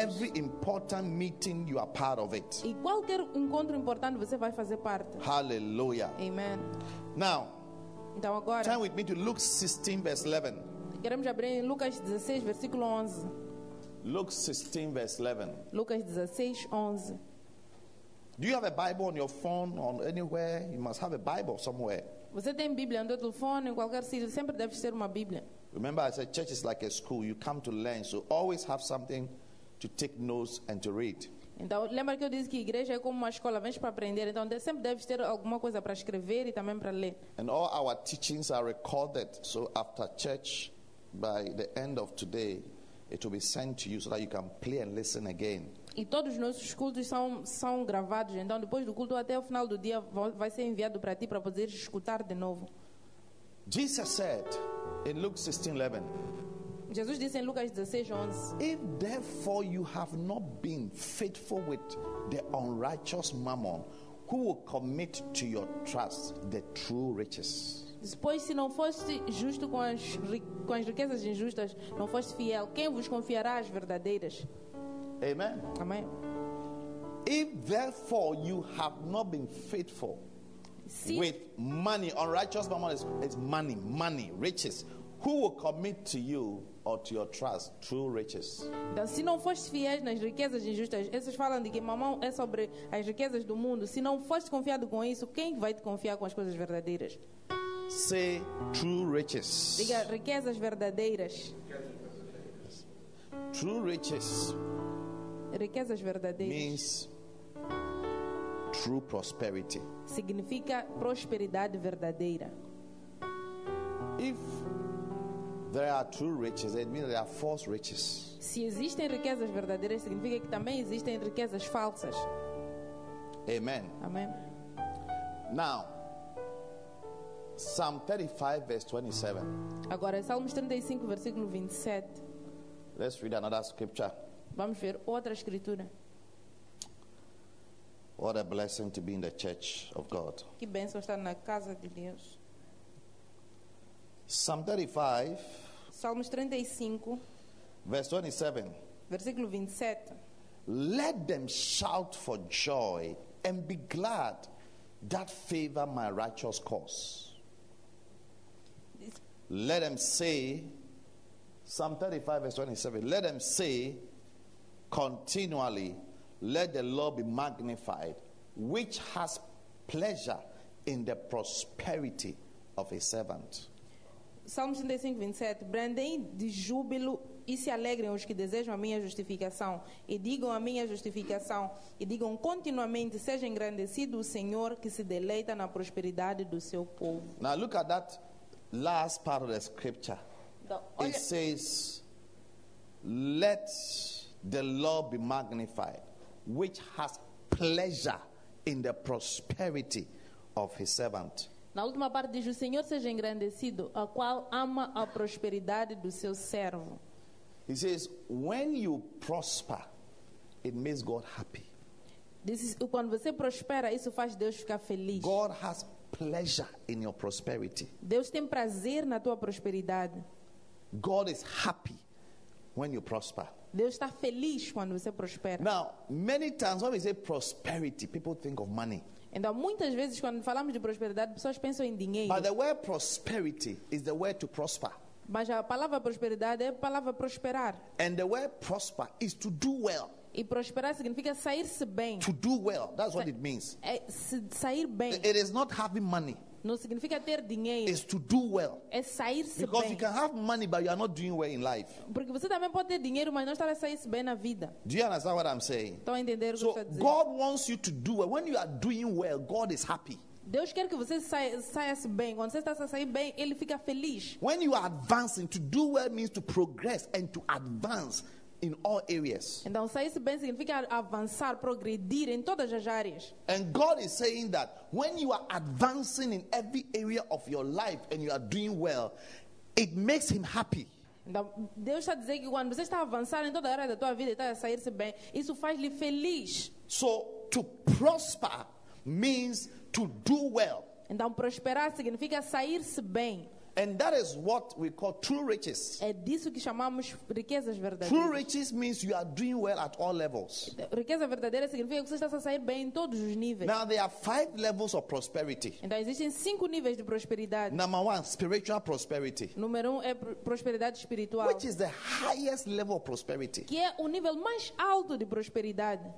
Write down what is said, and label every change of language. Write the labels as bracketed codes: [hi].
[en] Every important meeting you are part of it. [pt] E qualquer encontro importante você vai fazer parte. [en] Hallelujah. Amen. Now, [pt] então agora, [en] turn with me to Luke 16, verse 11. [pt] Queremos abrir em Lucas 16, versículo 11. [en] Luke 16, verse 11. [pt] Lucas 16, 11. [en] Do you have a Bible on your phone or anywhere? You must have a Bible somewhere. [pt] Você tem Bíblia no telefone, em qualquer sítio, sempre deve ser uma Bíblia. [en] Remember, I said church is like a school. You come to learn, so always have something to take notes and to read. [pt] Então, lembra que eu disse que a igreja é como uma escola, vem para aprender. Então, sempre deve ter alguma coisa para escrever e também para ler. [en] And all our teachings are recorded, so after church, by the end of today, it will be sent to you so that you can play and listen again. [pt] E todos os nossos cultos são gravados. Então, depois do culto até o final do dia, vai ser enviado para ti para poder escutar de novo. [en] Jesus said in Luke 16:11. [pt] Jesus disse em Lucas 16:11. [en] If therefore you have not been faithful with the unrighteous mammon, who will commit to your trust the true riches? [pt] Pois se não foste justo com as riquezas injustas, não foste fiel, quem vos confiará as verdadeiras? [en] Amen. [pt] Amém. [en] If therefore you have not been faithful with money, unrighteous mammon is money, riches, who will commit to you or to your trust, true riches. [pt] Então, se não foste fiel nas riquezas injustas, esses falam de que mamão é sobre as riquezas do mundo. Se não foste confiado com isso, quem vai te confiar com as coisas verdadeiras? [en] Say true riches. [pt] Diga riquezas verdadeiras. [en] True riches. [pt] Riquezas verdadeiras. [en] Means true prosperity. [pt] Significa prosperidade verdadeira. [en] If there are true riches, it means there are false riches. [pt] Se existem riquezas verdadeiras, significa que também existem riquezas falsas. [en] Amen. [pt] Amém. [en] Now, Psalm 35, verse 27. [pt] Agora, Salmos 35, versículo 27. [en] Let's read another scripture. [pt] Vamos ver outra escritura. [en] What a blessing to be in the church of God. [pt] Que bênção estar na casa de Deus. [en] Psalm 35. [pt] Salmos 35. [en] Verse 27. [pt] Versículo 27. [en] Let them shout for joy and be glad that favor my righteous cause. Let them say, Psalm 35, verse 27. Let them say continually, let the Lord be magnified, which has pleasure in the prosperity of his servant. [pt] Salmo 35, 27. Brandem de júbilo e se alegrem os que desejam a minha justificação, e digam a minha justificação, e digam continuamente, seja engrandecido o Senhor que se deleita na prosperidade do seu povo. [en] Now look at that last part of the scripture. It says, let the Lord be magnified, which has pleasure in the prosperity of his servant. [pt] Na última parte diz, o Senhor seja engrandecido, a qual ama a prosperidade do seu servo. [en] He says, when you prosper, it makes God happy. This is, [pt] quando você prospera, isso faz Deus ficar feliz. [en] God has pleasure in your prosperity. [pt] Deus tem prazer na tua prosperidade. [en] God is happy when you prosper. [pt] Deus está feliz quando você prospera. [en] Now, many times when we say prosperity, people think of money. [pt] Então, muitas vezes quando falamos de prosperidade, pessoas pensam em dinheiro. [en] But the word prosperity is the word to prosper. [pt] Mas a palavra prosperidade é a palavra prosperar. [en] And the word prosper is to do well. [pt] E prosperar significa sair-se bem. [en] To do well, that's what it means. [pt] É sair bem. [en] It is not having money. [pt] Não significa ter dinheiro. [en] It's to do well. [pt] É sair-se [en] because [pt] bem. [en] Because you can have money but you are not doing well in life. [pt] Porque você também pode ter dinheiro, mas não estar a sair-se bem na vida. [en] Do you understand what I'm saying? [pt] Estão a entender o que [en] so [pt] eu estou a dizer? [en] God wants you to do well. When you are doing well, God is happy. [pt] Deus quer que você saia-se bem. Quando você está a sair bem, ele fica feliz. [en] When you are advancing, to do well means to progress and to advance in all areas. [pt] Então, sair-se bem significa avançar, progredir em todas as áreas. [en] And God is saying that when you are advancing in every area of your life and you are doing well, it makes him happy. [pt] Então, Deus está dizendo que quando você está a avançar em toda a área da tua vida e está a sair-se bem, isso faz-lhe feliz. [en] So, to prosper means to do well. [pt] Então, prosperar significa sair-se bem. [en] And that is what we call true riches. [pt] É disso que chamamos riquezas verdadeiras. [en] True riches means you are doing well at all levels. [pt] Riqueza verdadeira significa que você está a sair bem em todos os níveis. [en] Now there are five levels of prosperity. [pt] Então existem cinco níveis de prosperidade. [en] Number one, spiritual prosperity. [pt] Número um é prosperidade espiritual. [en] Which is the highest level of prosperity? [pt] Que é o nível mais alto de prosperidade.